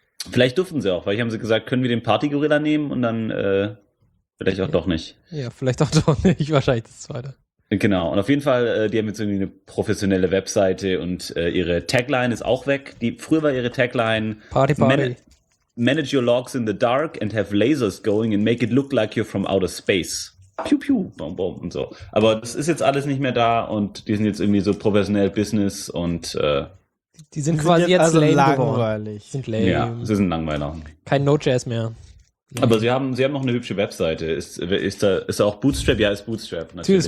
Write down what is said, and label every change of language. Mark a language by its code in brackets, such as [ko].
[de] Vielleicht durften sie auch, weil ich haben sie gesagt, können wir den Party-Gorilla nehmen und dann vielleicht auch doch nicht. Ja, vielleicht auch doch nicht. Wahrscheinlich das zweite. Genau, und auf jeden Fall, die haben jetzt irgendwie eine professionelle Webseite und ihre Tagline ist auch weg. Früher war ihre Tagline Party, Party. [en] Manage your logs in the dark and have lasers going and make it look like you're from outer space. [de] Piu, piu, boom, boom und so. Aber das ist jetzt alles nicht mehr da und die sind jetzt irgendwie so professionell Business und die sind quasi jetzt also lame langweilig. Sind lame. Ja, sie sind langweilig. Kein Node.js mehr. Nee. Aber sie haben noch eine hübsche Webseite. Ist da auch Bootstrap? Ja, ist Bootstrap. Natürlich.